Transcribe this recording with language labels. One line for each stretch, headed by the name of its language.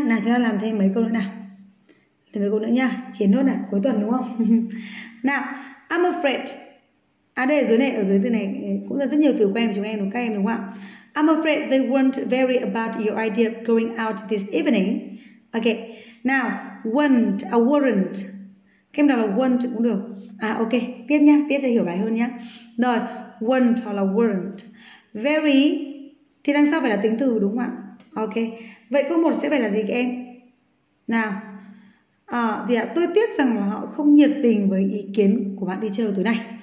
Vietnamese: Nào chúng ta làm thêm mấy câu nữa nào. Thêm mấy câu nữa nhá. Chiến nốt này, cuối tuần đúng không? Nào,
English: I'm afraid.
Vietnamese: À đây, ở dưới này, ở dưới từ này cũng là rất nhiều từ quen của chúng em, đúng các em đúng không ạ?
English: I'm afraid they weren't very about your idea of going out this evening. Ok, now, weren't, I weren't.
Vietnamese: Kem nào là weren't cũng được. À ok, tiếp nhá, tiếp cho hiểu bài hơn nhá. Rồi, weren't hoặc là weren't. Very thì đằng sau phải là tính từ đúng không ạ? Ok, vậy câu 1 sẽ phải là gì các em? Nào, thì tôi tiếc rằng là họ không nhiệt tình với ý kiến của bạn đi chơi tối nay.